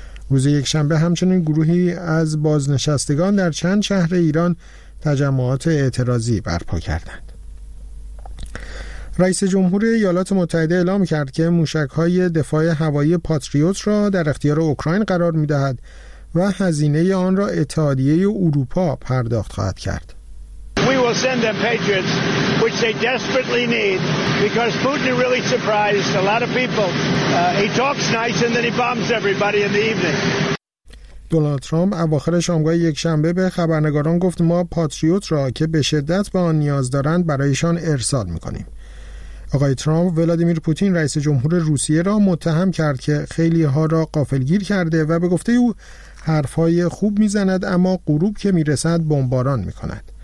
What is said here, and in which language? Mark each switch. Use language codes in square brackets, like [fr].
[fa] روز یکشنبه همچنین گروهی از بازنشستگان در چند شهر ایران تجمعات اعتراضی برپا کردند. رئیس جمهور ایالات متحده اعلام کرد که موشک‌های دفاع هوایی پاتریوت را در اختیار اوکراین قرار می‌دهد و هزینه آن را اتحادیه اروپا پرداخت خواهد کرد. [en] We will send them Patriots, which they desperately need, because Putin really surprised a lot of people. He talks nice and then he bombs everybody in the evening. [fa] دونالد ترامپ اواخر شامگاه یکشنبه به خبرنگاران گفت ما پاتریوت را که به شدت به آن نیاز دارند برایشان ارسال می‌کنیم. آقای ترامپ ولادیمیر پوتین رئیس جمهور روسیه را متهم کرد که خیلی ها را غافلگیر کرده و به گفته او حرفای خوب میزند اما غروب که میرسد بمباران میکند.